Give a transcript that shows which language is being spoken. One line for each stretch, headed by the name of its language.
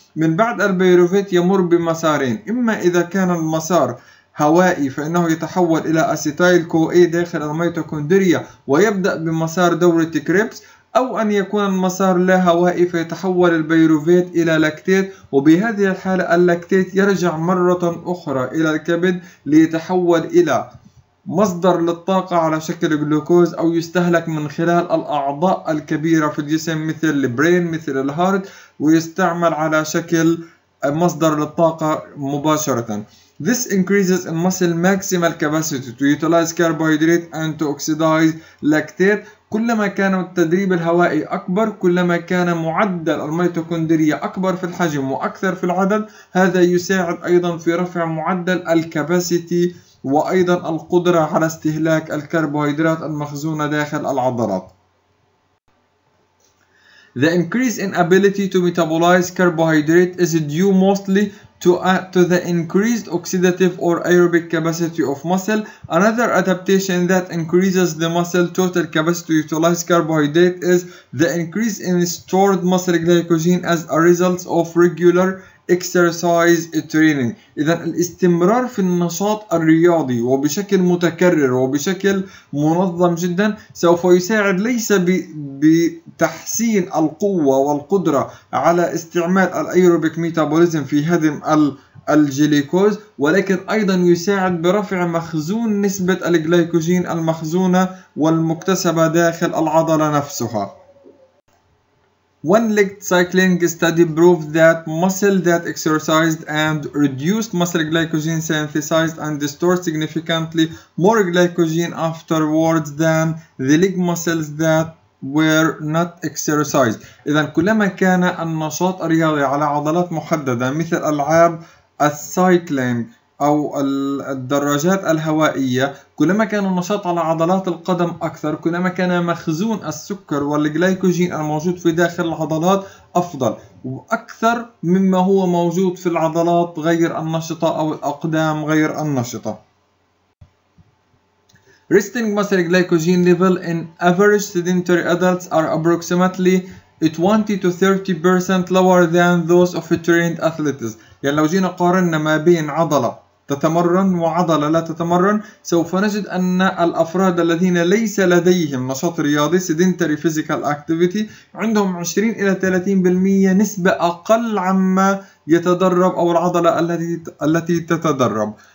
Arabic: من بعد البيروفيت يمر بمسارين، إما إذا كان المسار هوائي فإنه يتحول إلى أسيتايل كو إي داخل الميتوكوندريا ويبدأ بمسار دورة كريبس، أو أن يكون المسار لا هوائي فيتحول البيروفيت إلى لاكتيت، وبهذه الحالة اللاكتيت يرجع مرة أخرى إلى الكبد ليتحول إلى مصدر للطاقة على شكل جلوكوز أو يستهلك من خلال الأعضاء الكبيرة في الجسم مثل البرين مثل الهارت، ويستعمل على شكل مصدر للطاقة مباشرة.
English: This increases in muscle maximal capacity to utilize carbohydrate and to oxidize lactate.
Arabic: كلما كان التدريب الهوائي أكبر، كلما كان معدل الميتوكوندرية أكبر في الحجم وأكثر في العدد، هذا يساعد أيضا في رفع معدل الكاباسيتي وأيضا القدرة على استهلاك الكربوهيدرات المخزونة داخل العضلات.
English: The increase in ability to metabolize carbohydrate is due mostly to the increased oxidative or aerobic capacity of muscle. Another adaptation that increases the muscle total capacity to utilize carbohydrate is the increase in stored muscle glycogen as a result of regular exercise training.
Arabic: إذا الاستمرار في النشاط الرياضي وبشكل متكرر وبشكل منظم جدا سوف يساعد ليس بتحسين القوة والقدرة على استعمال الأيروبيك ميتابوليزم في هدم الجليكوز، ولكن أيضا يساعد برفع مخزون نسبة الجليكوجين المخزونة والمكتسبة داخل العضلة نفسها.
English: One-legged cycling study proved that muscle that exercised and reduced muscle glycogen synthesized and stored significantly more glycogen afterwards than the leg muscles that were not exercised.
Arabic: إذن كلما كان النشاط الرياضي على عضلات محددة مثل ألعاب السايكلينج أو الدراجات الهوائية، كلما كان النشاط على عضلات القدم أكثر، كلما كان مخزون السكر والجلايكوجين الموجود في داخل العضلات أفضل وأكثر مما هو موجود في العضلات غير النشطة أو الأقدام غير النشطة.
English: Resting muscle glycogen level in average sedentary adults are approximately 20-30% lower than those of trained athletes.
Arabic: يعني لو جينا قارنا ما بين عضلة تتمرن وعضلة لا تتمرن، سوف نجد أن الأفراد الذين ليس لديهم نشاط رياضي
English: sedentary physical activity
Arabic: عندهم 20-30% نسبة أقل عما يتدرب أو العضلة التي تتدرب.